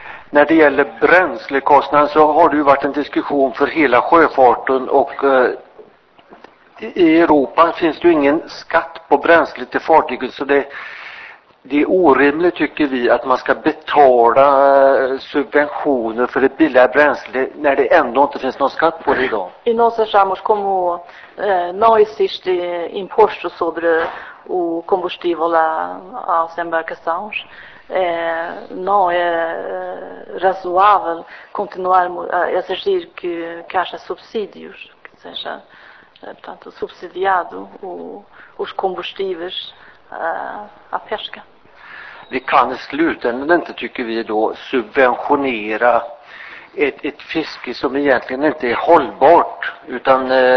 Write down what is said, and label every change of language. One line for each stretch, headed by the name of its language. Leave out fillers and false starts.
Swedish: När det gäller bränslekostnaden så har det ju varit en diskussion för hela sjöfarten och i Europa finns det ju ingen skatt på bränslet till fartyget, så det är orimligt tycker vi att man ska betala subventioner för ett billigare bränsle när det ändå inte finns någon skatt på det idag.
Portuguese: E nós achamos como não existe imposto sobre o combustível às embarcações, não é razoável continuar a exigir que haja subsídios, que seja, portanto, subsidiado os combustíveis à pesca.
Swedish: Vi kan i slutändan inte, tycker vi då, subventionera ett fiske som egentligen inte är hållbart, utan